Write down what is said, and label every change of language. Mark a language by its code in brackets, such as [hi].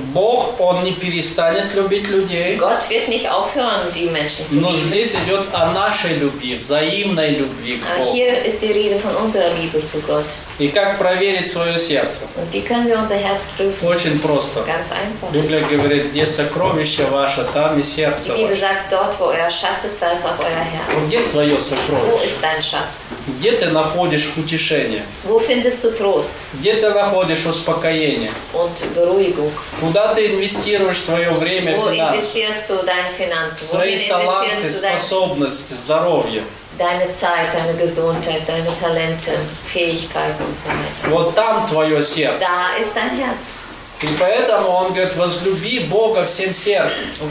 [ru] Бог, он не перестанет любить людей. [de] Gott wird nicht aufhören, die Menschen zu lieben. [ru] Но здесь идет о нашей любви, взаимной любви к Богу. [de] Hier ist die Rede von unserer Liebe zu Gott. [ru] И как проверить свое сердце? [de] Wie können wir unser Herz prüfen? [ru] Очень просто. [de] Ganz einfach. [ru] Библия говорит, где сокровище ваше, там и сердце ваше. [de] Die Bibel sagt, dort, wo euer Schatz ist, da ist auch euer Herz. [ru] Und где твое сокровище? [de] Wo ist dein Schatz? [ru] Где ты находишь утешение? [de] Wo findest du Trost? [ru] Где ты находишь успокоение? [de] Und Beruhigung. [ru] Куда ты инвестируешь свое время, [de] финансы? Wo investierst du deine Finanzen? [ru] Свои таланты, способности, здоровье. [de] Deine Zeit, deine Gesundheit, deine Talente, Fähigkeiten und so weiter. Da ist dein Herz. [ru] И поэтому он говорит, возлюби Бога всем сердцем.